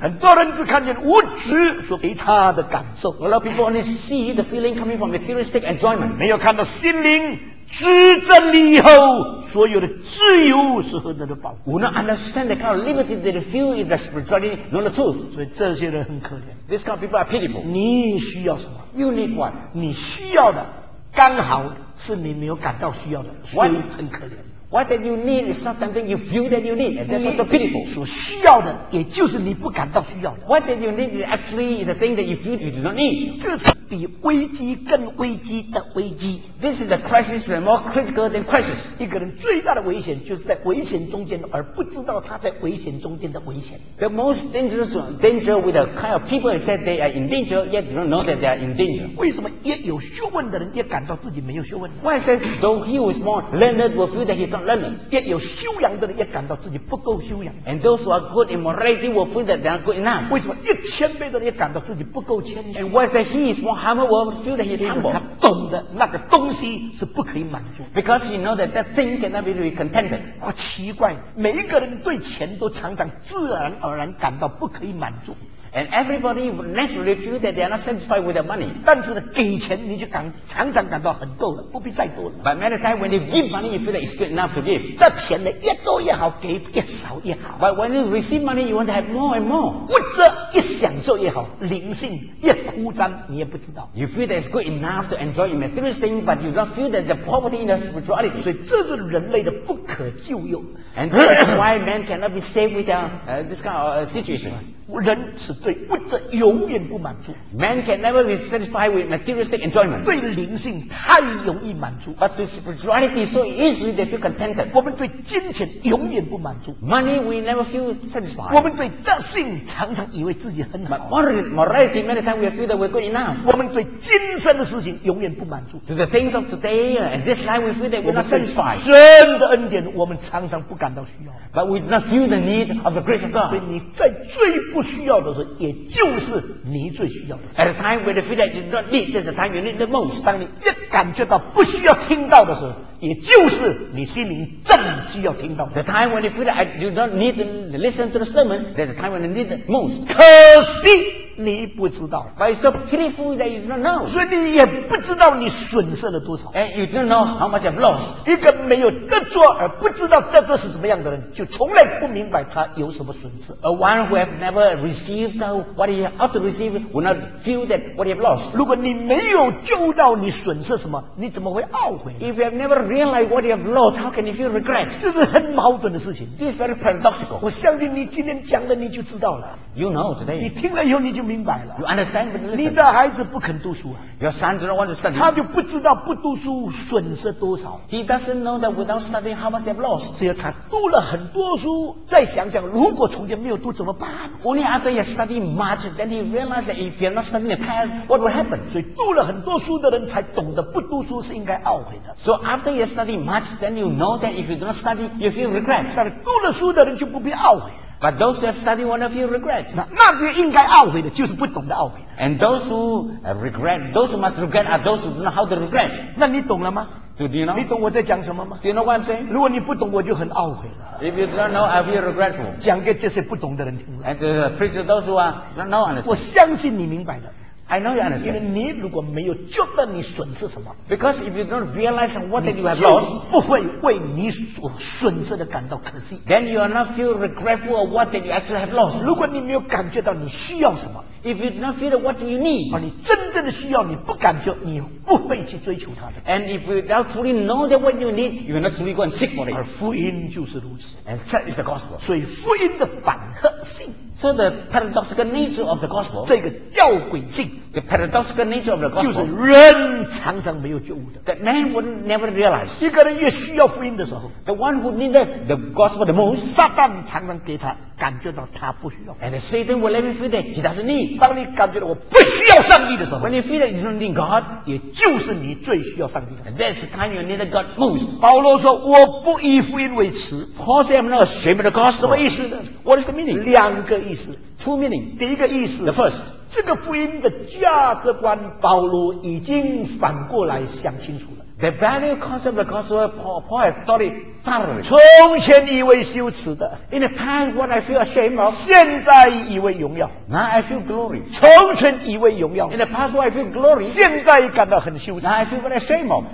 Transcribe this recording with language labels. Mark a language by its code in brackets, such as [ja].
[zh] 很多人只看见物质所给他的感受。 [en] A lot of people only see the feeling coming from materialistic enjoyment。 [zh] 没有看到心灵知真理以后所有的自由是何等的宝贵。 [en] We not understand the kind of liberty that they feel in the spirituality, not the truth。 [zh] 所以这些人很可怜。 [en] These kind of people are pitiful。 [zh] 你需要什么？ [en] You need what？ [zh] 你需要的刚好是你没有感到需要的，所以很可怜。 [en] What that you need is not something you feel that you need, and that's also pitiful. [zh] 所需要的也就是你不感到需要的。 [en] What that you need is actually the thing that you feel you do not need. [zh] 这是比危机更危机的危机。 [en] This is a crisis more critical than crisis. [zh] 一个人最大的危险就是在危险中间而不知道他在危险中间的危险。 [en] The most dangerous danger with a kind of people is that they are in danger yet do not know that they are in danger. [zh] 为什么也有学问的人也感到自己没有学问？ [en] Why is that though he was more learned will feel that he's not learning? [zh] 也有修养的人也感到自己不够修养。 [en] And those who are good in morality will feel that they are good enough. [zh] 为什么一谦卑的人也感到自己不够谦卑？ [en] And why is that he is more humble will feel that he is humble. [zh] 他懂得那个东西是不可以满足。 [en] Because he knows that that thing cannot be really contented. [zh] 哇，奇怪，每一个人对钱都常常自然而然感到不可以满足。 [en] And everybody naturally feel that they are not satisfied with their money. [zh] 但是呢，给钱你就常常感到很够了，不必再多了。 [en] But many times when you give money, you feel that it's good enough to give. [zh] 那钱呢，越多越好，给越少越好。 [en] But when you receive money, you want to have more and more. [zh] 物质越享受越好，灵性越枯张，你也不知道。 [en] You feel that it's good enough to enjoy your material thing, but you don't feel that the poverty in the spirituality. [zh] 所以这是人类的不可救药。 [en] And that is why man cannot be saved without this kind of situation. [zh] 人是对物质永远不满足。 [en] Man can never be satisfied with materialistic enjoyment. [zh] 对灵性太容易满足。 [en] But to spirituality, so easily they feel contented. [zh] 我们对金钱永远不满足。 [en] Money, we never feel satisfied. [zh] 我们对德性常常以为自己很好。 [en] But morality, many times we feel that we're good enough. [zh] 我们对今生的事情永远不满足。 [en] To the things of today and this life, we feel that we're not satisfied. [zh] 神的恩典，我们常常不感到需要。 [en] But we do not feel the need of the grace of God. [zh] 所以你在最不需要的时候，也就是你最需要的。 [en] At a time when you feel that you don't need, that's the time you need the most. [zh] 当你越感觉到不需要听到的时候，也就是你心灵正需要听到的。 [en] The time when you feel that you don't need to listen to the sermon, that's the time when you need the most. [zh] 可惜你不知道。 [en] But it's so pitiful that you don't know. [zh] 所以你也不知道你损失了多少。 [en] And you don't know how much you've lost. [zh] 一个没有得着而不知道得着是什么样的人，就从来不明白他有什么损失。 [en] A one who have never received what he ought to receive will not feel that what he have lost. [zh] 如果你没有救到你损失什么，你怎么会懊悔？ [en] If you have never realized what you have lost, how can you feel regret? [zh] 这是很矛盾的事情。 [en] This is very paradoxical. [zh] 我相信你今天讲的你就知道了。 [en] You know today. [zh] 你听了以后你就明白了。 [en] You understand, but listen. [zh] 你的孩子不肯读书啊。 [en] Your son does not want to study. [zh] 他就不知道不读书损失多少。 [en] He doesn't know that without studying how much you have lost. [zh] 只要他读了很多书，再想想如果从前没有读怎么办？ [en] Only after you study much, then he realized that if you're not studying the past, what would happen? [zh] 所以读了很多书的人才懂得不读书是应该懊悔的。 [en] So after you study much, then you know that if you do not study, you feel regret. [zh] 但是读了书的人就不必懊悔。 [en] But those who have studied won't feel regret. [zh] 那些应该懊悔的就是不懂得懊悔的。 [en] And those who regret, those who must regret are those who know how to regret. [zh] 那你懂了吗？ [en] Do you know? [zh] 你懂我在讲什么吗？ [en] Do you know what I'm saying? [zh] 如果你不懂，我就很懊悔了。 [en] If you don't know, I feel regretful. [zh] 讲给这些不懂的人听。 [en] And preach to those who are don't know understand. [zh] 我相信你明白的。 [en] I know you understand. [zh] 因为你如果没有觉得你损失什么 [en] ，Because if you don't realize what that you have lost, [zh] 不会为你所损失的感到可惜。 [en] Then you are not feel regretful of what that you actually have lost. [zh] 如果你没有感觉到你需要什么。 [en] If you do not feel what you need, [zh] 你真正的需要你不感觉，你不会去追求它的。 [en] And if you don't truly know that what you need, you will not truly go and seek for it. [zh] 而福音就是如此。 [en] And that is the gospel. [zh] 所以福音的反合性。 [en] So the paradoxical nature of the gospel. [zh] 这个吊诡性。 [en] The paradoxical nature of the gospel. [zh] 就是人常常没有觉悟的。 [en] That man would never realize. [zh] 一个人越需要福音的时候。 [en] The one who needed the gospel the most. [zh] 撒旦常常给他。感觉到他不需要。 [en] And Satan will let me feel that he doesn't need. [zh] 当你感觉到我不需要上帝的时候 [en] ，When you feel that you don't need God， [zh] 也就是你最需要上帝的。 [en] And that's the time you need God most. [zh] 保罗说：“我不以福音为耻。” [en] Paul said, "I'm not ashamed of the gospel." [zh] 什么意思呢 [en] ？What is the meaning？ [zh] 两个意思 [en] ，two meaning. [zh] 第一个意思 [en] ，the first， [zh] 这个福音的价值观，保罗已经反过来想清楚了。 [en] The value concept of the gospel, Paul had thought it thoroughly. [zh] 从前以为羞耻的 [en] ，In the past, what I feel ashamed of. [zh] 现在以为荣耀 [en] ，Now I feel glory. [zh] 从前以为荣耀 [en] ，In the past, what I feel glory. [zh] 现在感到很羞耻 [en] ，Now I feel very ashamed of.